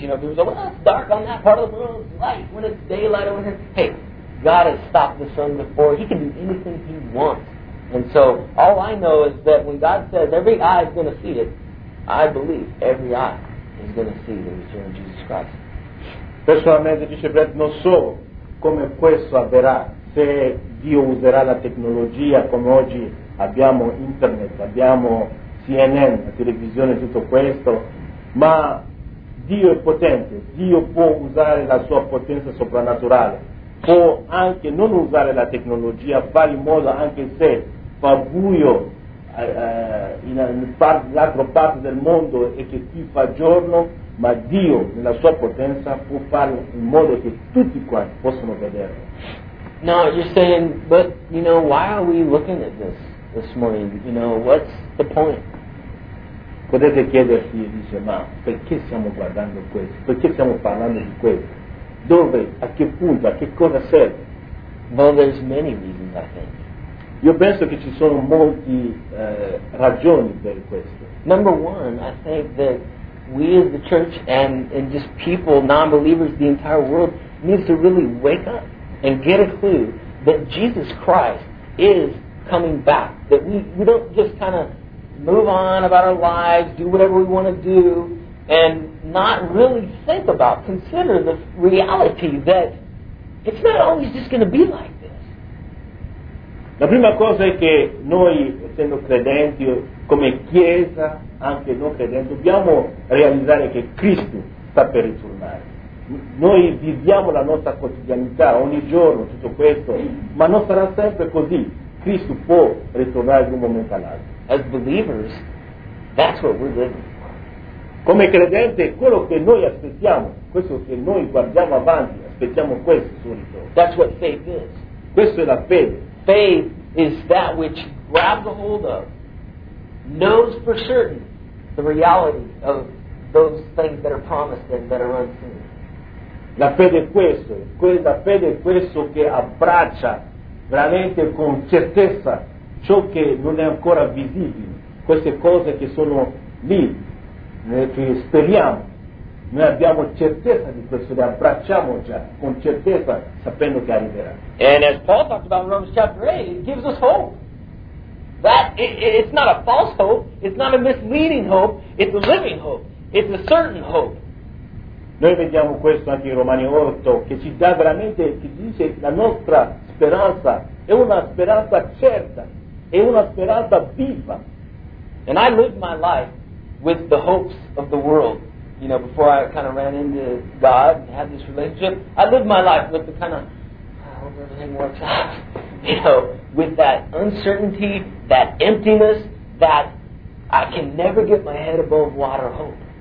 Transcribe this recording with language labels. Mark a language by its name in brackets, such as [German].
[English] You know, people say, well, it's dark on that part of the world. It's light when it's daylight over here. Hey, God has stopped the sun before. He can do anything He wants. And so all I know is that when God says every eye is going to see it, I believe every eye is going to see the return of Jesus Christ. [Italian] Personalmente dice Brett, non so come questo avverrà, se Dio userà la tecnologia come oggi abbiamo internet, abbiamo CNN, la televisione, tutto questo, ma Dio è potente, Dio può usare la sua potenza soprannaturale, può anche non usare la tecnologia, fare in modo anche se fa buio nell'altra parte del mondo e che qui fa giorno, ma Dio nella sua potenza può fare in modo che tutti quanti possano vederlo. [English] No, you're saying, but you know, why are we looking at this morning? You know, what's the point? [Italian] Potete chiedersi, dice, ma perché stiamo guardando questo? Perché stiamo parlando di questo? Dove? A che punto? A che cosa serve? [English] Well, there's many reasons, I think. [Italian] Io penso che ci sono molti ragioni per questo. [English] Number one, I think that we as the church and just people, non-believers, the entire world, needs to really wake up and get a clue that Jesus Christ is coming back. That we don't just kind of move on about our lives, do whatever we want to do, and not really think about, consider the reality that it's not always just going to be like this. [Italian] La prima cosa è che noi, essendo credenti, come chiesa, anche non credenti, dobbiamo realizzare che Cristo sta per ritornare. Noi viviamo la nostra quotidianità ogni giorno, tutto questo, ma non sarà sempre così. Cristo può ritornare in un momento all'altro. [English] As believers, that's what we're living for. [Italian] Come credente, quello che noi aspettiamo, questo che noi guardiamo avanti, aspettiamo questo suo ritorno. [English] That's what faith is. [Italian] Questo è la fede. [English] Faith is that which grabs a hold of, knows for certain the reality of those things that are promised and that are unseen. [Italian] La fede è questo, quella fede è questo che abbraccia veramente con certezza ciò che non è ancora visibile, queste cose che sono lì, che speriamo, noi abbiamo certezza di questo, le abbracciamo già con certezza sapendo che arriverà. [English] And as Paul talked about in Romans chapter 8, it gives us hope. That it's not a false hope, it's not a misleading hope, it's a living hope, it's a certain hope. [Italian] Noi vediamo questo anche in Romani 8, che ci dà veramente, che dice la nostra speranza è una speranza certa, è una speranza viva. [English] And I lived my life with the hopes of the world. You know, before I kind of ran into God and had this relationship, I lived my life with the kind of, I hope everything works out. You know, with that uncertainty, that emptiness, that I can never get my head above water hope.